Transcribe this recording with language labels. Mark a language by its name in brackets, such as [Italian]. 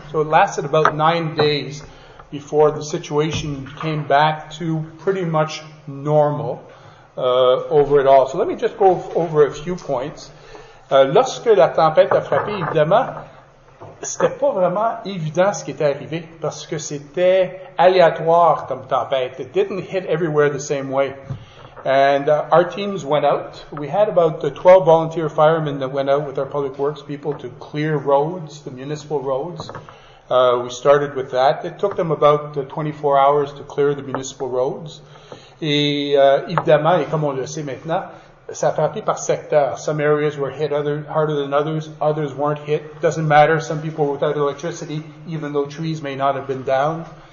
[English] So it lasted about 9 days before the situation came back to pretty much normal over it all. So let me just go over a few points. [French] Lorsque la tempête a frappé, évidemment, c'était pas vraiment évident ce qui était arrivé parce que c'était aléatoire comme tempête. [English] It didn't hit everywhere the same way. And our teams went out. We had about 12 volunteer firemen that went out with our public works people to clear roads, the municipal roads. We started with that. It took them about 24 hours to clear the municipal roads. [French] Et évidemment, et comme on le sait maintenant, ça a frappé par secteur. [English] Some areas were hit harder than others. Others weren't hit. Doesn't matter. Some people were without electricity, even though trees may not have been down.